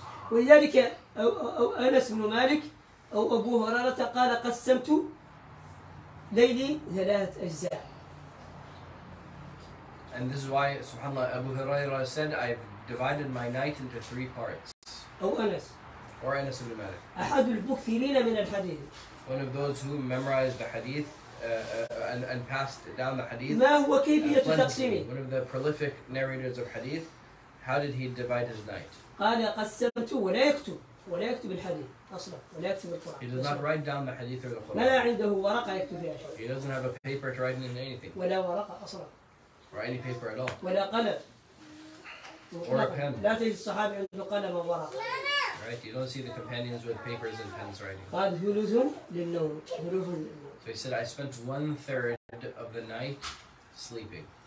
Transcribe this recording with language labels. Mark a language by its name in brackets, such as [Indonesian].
[Arabic] ولذلك أنس بن مالك أو أبو هريرة قال قسمت ليلي ثلاثة أجزاء. [English] And this is why, subhanAllah, Abu Huraira said, I've divided my night into three parts. [Arabic] أو أنس. [English] Or Anas ibn Malik. [Arabic] أحد المكثرين من الحديث. [English] One of those who memorized the hadith and passed down the hadith. [Arabic] ما هو كيفية تقسيمه؟ [English] One of the prolific narrators of hadith. How did he divide his night? [Arabic] قال قسمت ولا يكتب ولا يكتب الحديث أصلاً ولا يكتب القرآن. [English] He does not write down the hadith or the Quran. [Arabic] لا عنده ورقة يكتب فيها شيء. [English] He doesn't have a paper to write in anything. [Arabic] ولا ورقة أصلاً. [English] Or any paper at all. [Arabic] ولا قلم. [English] Or a pen. [Arabic] لا تجد الصحابة عنده قلم أو ورقة. [English] Right, you don't see the companions with papers and pens writing. So he said, I spent one third of the night sleeping.